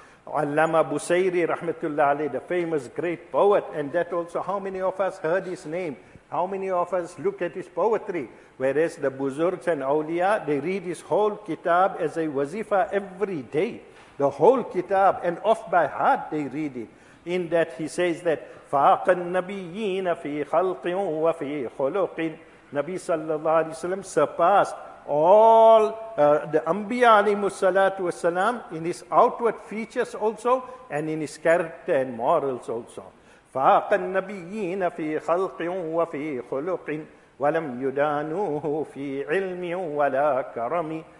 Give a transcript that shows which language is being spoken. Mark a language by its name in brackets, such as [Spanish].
[English] Allama Busayri rahmatullah alayhi, the famous great poet, and that also, how many of us heard his name? How many of us look at his poetry? Whereas the buzurgs and awliya, they read his whole kitab as a wazifa every day. The whole kitab, and off by heart they read it. In that he says that, [Arabic] فَاقَ النَّبِيِّينَ فِي خَلْقٍ وَفِي خُلُقٍ. [English] Nabi sallallahu alayhi wa sallam surpassed all the anbiya alayhi salatu wa sallam in his outward features also, and in his character and morals also. [Arabic] فَاقَ النَّبِيِّينَ فِي خَلْقٍ وَفِي خُلُقٍ وَلَمْ يُدَانُوهُ فِي عِلْمٍ وَلَا كَرَمِ.